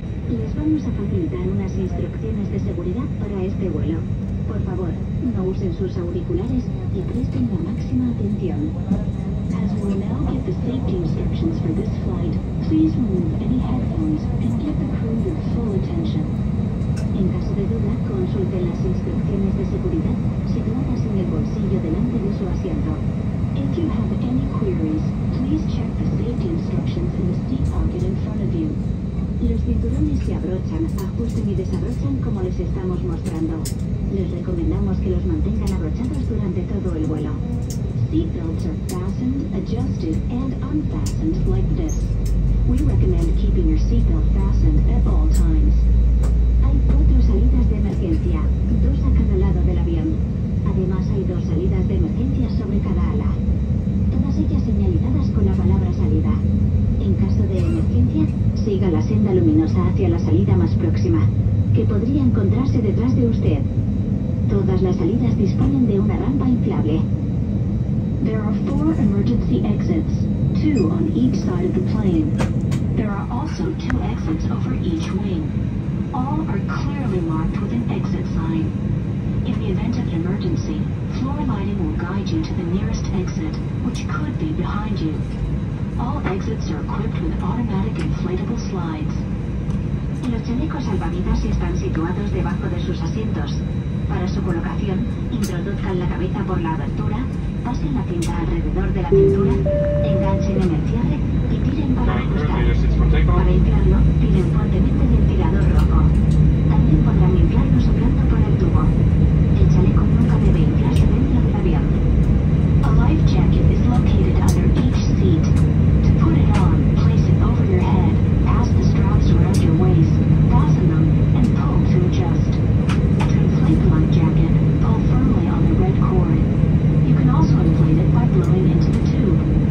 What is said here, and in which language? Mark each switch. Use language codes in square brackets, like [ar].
[es] Les vamos a facilitar unas instrucciones de seguridad para este vuelo. Por favor, no usen sus auriculares y presten la máxima atención. [en] As we now get the safety instructions for this flight, please remove any headphones and give the crew your full attention. [es] En caso de duda, consulte las instrucciones de seguridad situadas en el bolsillo delante de su asiento. [en] If you have any queries, please check the safety instructions in the seat pocket in front of you. [es] Los cinturones se abrochan, ajusten y desabrochan como les estamos mostrando. Les recomendamos que los mantengan abrochados durante todo el vuelo. [en] Seatbelts are fastened, adjusted, and unfastened like this. We recommend keeping your seatbelt fastened at all times. [es] Hay cuatro salidas de emergencia, dos a cada lado del avión. Además, hay dos salidas de emergencia sobre cada ala. Todas ellas señalizadas con la palabra salida. En caso de emergencia, siga la senda luminosa hacia la salida más próxima, que podría encontrarse detrás de usted. Todas las salidas disponen de una rampa inflable. [en] There are four emergency exits, two on each side of the plane. There are also two exits over each wing. All are clearly marked with an exit sign. In the event of an emergency, floor lighting will guide you to the nearest exit, which could be behind you. All exits are equipped with automatic inflatable slides. [es] Los chalecos salvavidas están situados debajo de sus asientos. Para su colocación, introduzcan la cabeza por la abertura, pasen la cinta alrededor de la cintura, enganchen en el cierre y tiren para ajustar. Para inflarlo, tiren fuertemente del tirador rojo. También podrán inflarlo soplando por el tubo. El chaleco nunca debe inflarse dentro del avión. [en] A life jacket is located under each seat. To put it on, place it over your head, pass the straps around your waist, fasten them, and pull to adjust. To inflate the life jacket, pull firmly on the red cord. You can also inflate it by blowing into the tube.